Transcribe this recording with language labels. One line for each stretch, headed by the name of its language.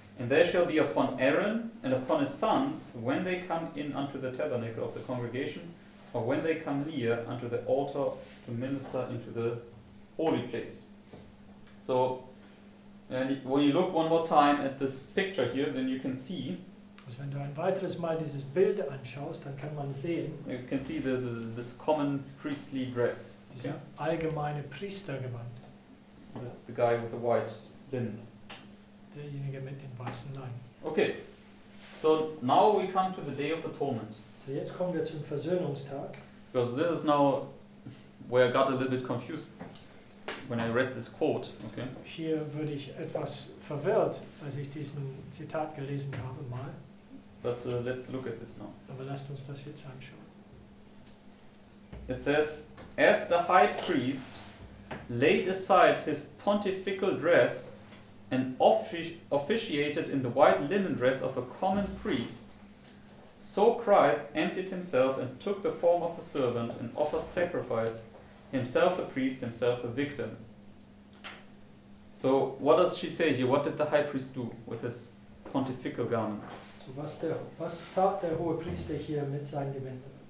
English: And there shall be upon Aaron and upon his sons, when they come in unto the tabernacle of the congregation, or when they come near unto the altar to minister into the holy place. So, and when you look one more time at this picture here, then you can see.
German: Also wenn du ein weiteres Mal dieses Bild anschaust, dann kann man sehen.
English: You can see this common priestly dress.
German: Dieser allgemeine Priestergewand.
English: That's the guy with the white linen.
German: Derjenige mit dem weißen Leinen.
English: Okay, so now we come to the Day of Atonement.
German: So jetzt kommen wir zum Versöhnungstag.
English: Because this is now where I got a little bit confused when I read this quote. Okay.
German: So hier würde ich etwas verwirrt, als ich diesen Zitat gelesen habe mal.
English: But let's look at this now.
German: Aber lasst uns das jetzt anschauen.
English: It says, as the high priest laid aside his pontifical dress and officiated in the white linen dress of a common priest, so Christ emptied himself and took the form of a servant and offered sacrifice, himself a priest, himself a victim. So what does she say here? What did the high priest do with his pontifical garment?
German: So was tat der hohe Priester hier mit seinen Gewändern?